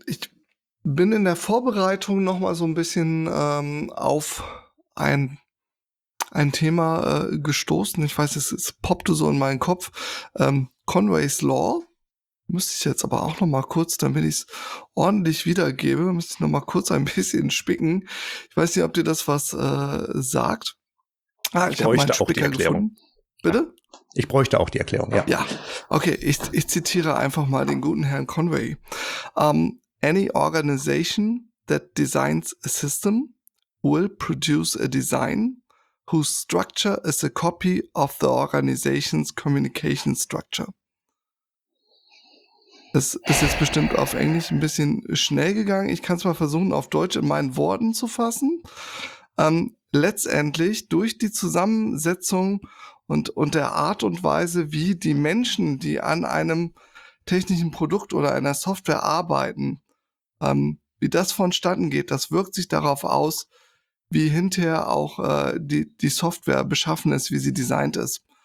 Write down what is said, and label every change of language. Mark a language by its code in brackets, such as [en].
[de] Ich bin in der Vorbereitung nochmal so ein bisschen auf ein Thema gestoßen, ich weiß, es poppte so in meinen Kopf, Conway's Law, müsste ich jetzt aber auch nochmal kurz, damit ich es ordentlich wiedergebe, müsste ich nochmal kurz ein bisschen spicken. Ich weiß nicht, ob dir das was sagt. Ich bräuchte meinen Spicker auch die Erklärung. Gefunden. Bitte? Ich bräuchte auch die Erklärung, ja. Ja, okay, ich zitiere einfach mal den guten Herrn Conway. [en] Any organization that designs a system will produce a design whose structure is a copy of the organization's communication structure. [de] Es ist jetzt bestimmt auf Englisch ein bisschen schnell gegangen. Ich kann es mal versuchen, auf Deutsch in meinen Worten zu fassen. Letztendlich durch die Zusammensetzung und der Art und Weise, wie die Menschen, die an einem technischen Produkt oder einer Software arbeiten, wie das vonstatten geht, das wirkt sich darauf aus, wie hinterher auch die Software beschaffen ist, wie sie designt ist.